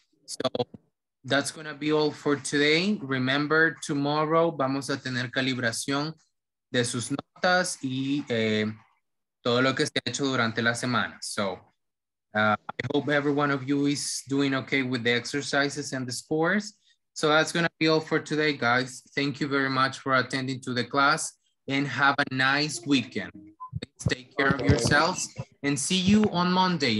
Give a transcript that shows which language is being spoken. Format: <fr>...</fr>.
<en>So that's going to be all for today. Remember, tomorrow</en> <es>vamos a tener calibración de sus notas y todo lo que se ha hecho durante la semana.</es> <en>So, I hope every one of you is doing okay with the exercises and the scores. So, that's going to be all for today, guys. Thank you very much for attending to the class and have a nice weekend. Please take care of yourselves and see you on Monday.</en>